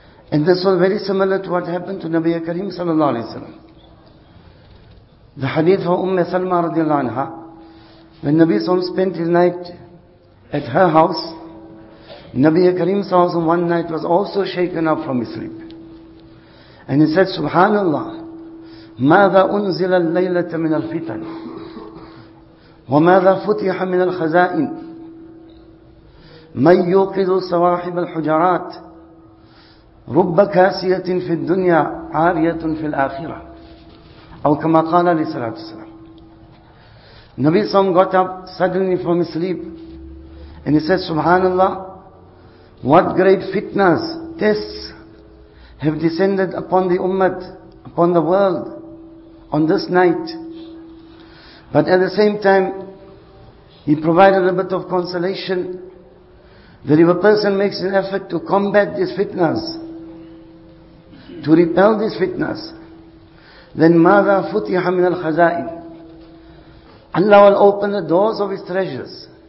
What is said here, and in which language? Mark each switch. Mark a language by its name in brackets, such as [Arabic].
[English] And this was very similar to what happened to Nabi Karim sallallahu alayhi wa sallam. The hadith of Umm Salma radiallahu anha, when Nabi sallam spent his night at her house, Nabi Karim sallallahu alayhi wa sallam one night was also shaken up from his sleep. And he said, Subhanallah, [Arabic] ماذا أنزل الليلة من الفتن وماذا فتح من الخزائن من يوقظ صواحب الحجرات رب كاسية في الدنيا عارية في الآخرة. أو كما قال عليه الصلاة والسلام. [English] Nabi Sam got up suddenly from his sleep and he said, Subhanallah, what great fitnas, tests have descended upon the ummah, upon the world. on this night. But at the same time, he provided a bit of consolation that if a person makes an effort to combat these fitnas, to repel these fitnas, then [Arabic] ماذا فتح من الخزائن, [English] Allah will open the doors of his treasures.